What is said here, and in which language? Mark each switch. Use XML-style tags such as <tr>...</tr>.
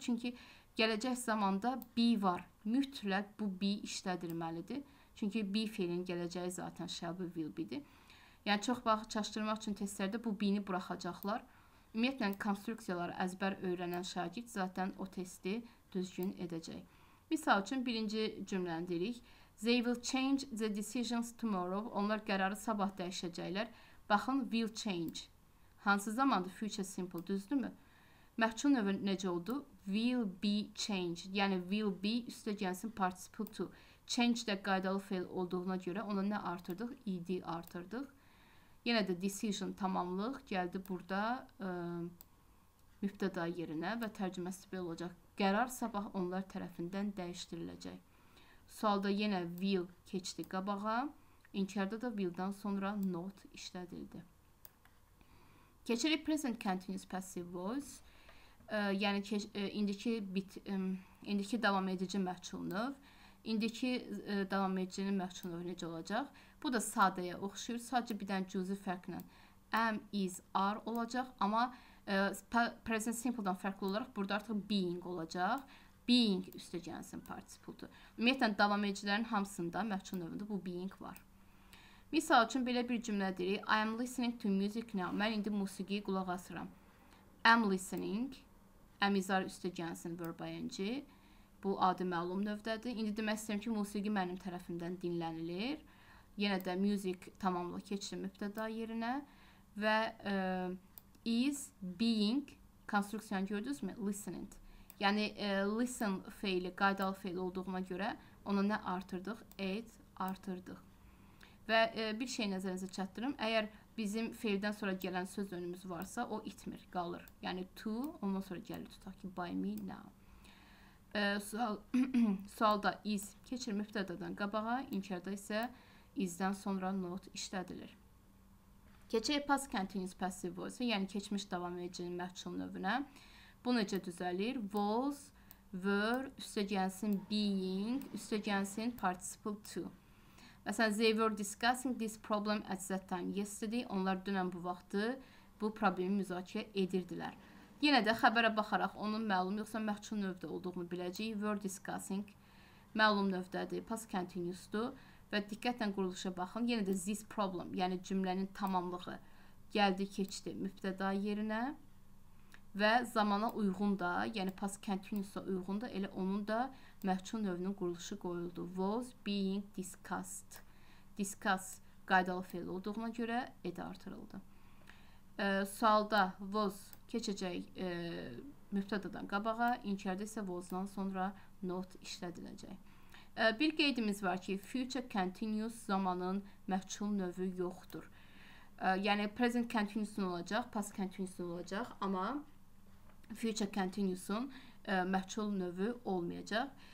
<az>Çünki gələcək zamanda be var. Mütləq bu be işlədilməlidir. Çünki be fiilin gələcəyi zaten shall be, will be-dir. Yəni çox vaxt çaşdırmaq üçün testlərdə bu be-ni buraxacaqlar. Ümumiyyətlə, konstruksiyaları əzbər öyrənən şagird zaten o testi düzgün edəcək. Misal üçün birinci cümləni deyirik.</az> <en>They will change the decisions tomorrow.</en> <az>Onlar qərarı sabah dəyişəcəklər. Baxın, will change. Hansı zamandır? Future simple, düzdür mü? Məhçul növü necə oldu?</az> <en>Will be changed.</en> <az>Yəni, will be üstə gəlsin participle to. Change də qaydalı fail olduğuna görə ona nə artırdıq? ED artırdıq. Yenə də decision tamamlıq gəldi burada mübtəda yerinə və tərcüməsi belə olacaq. Qərar sabah onlar tərəfindən dəyişdiriləcək. Sualda yenə will keçdi qabağa. İnkarda da will-dan sonra not işlədildi. Keçirik present continuous passive voice. Yəni indiki indiki davam edici məhçul növ. İndiki davam edicinin məhçul növü necə olacaq? Bu da sadəyə oxşuyur. Sadəcə bir dənə cüzi fərqlə am, is, are olacaq. Amma present simple-dan fərqli olaraq burada artıq being olacaq. Being üstə gəlsin participle-dur. Ümumiyyətlə, davam edicilərin hamısında məhçul növündə bu being var. Misal üçün belə bir cümlədir.</az> <en>I am listening to music now.</en> <az>Mən indi musiqi qulaq asıram.</az> <en>Am listening.</en> <az>Am is are üstə gəlsin verb ing. Bu adı məlum növdədir. İndi demək istəyirəm ki, musiqi mənim tərəfimdən dinlənilir. Yenə də music tamamlıq keçdi mübtəda yerinə. Və</az> <en>is being</en> <az>konstruksiyanı gördünüz mü?</az> <en>Listening.</en> <az>Yəni listen feili, qaydalı feil olduğuna görə ona nə artırdıq? Add artırdıq. Və bir şey nəzərinizə çatdırım. Əgər bizim feildən sonra gələn söz önümüz varsa, o itmir, qalır. Yəni to, ondan sonra gəlir, tutaq ki,</az> <en>by me now.</en> <az>Sualda is keçir mübtədadan qabağa, inkarda isə is-dən sonra not işlədilir. Keçək past continuous passive voice, yəni keçmiş davam edicinin məhçul növünə. Bu necə düzəlir? Was, were, üstə gəlsin being, üstə gəlsin participle to. Məsələn,</az> <en>they were discussing this problem at that time yesterday.</en> <az>Onlar dünən bu vaxtı bu problemi müzakirə edirdilər. Yenə də xəbərə baxaraq onun məlum yoxsa məhçul növdə olduğunu biləcəyik.</az> <en>Were discussing</en> <az>məlum növdədir, past continuous-dur. Və diqqətlə quruluşa baxın. Yenə də this problem, yəni cümlənin tamamlığı gəldi, keçdi mübtəda yerinə. Və zamana uyğun da, yəni past continuous-a uyğun da elə onun da məhçul növünün quruluşu qoyuldu.</az> <en>Was being discussed.</en> <az>Discuss qaydalı fiil olduğuna görə ed artırıldı. Sualda was keçəcək mübtədadan qabağa, inkarda isə was-dan sonra not işlədiləcək. Bir qeydimiz var ki, future continuous zamanın məhçul növü yoxdur. Yəni present continuous olacaq, past continuous olacaq, amma future continuous-un məhçul növü olmayacaq.</az>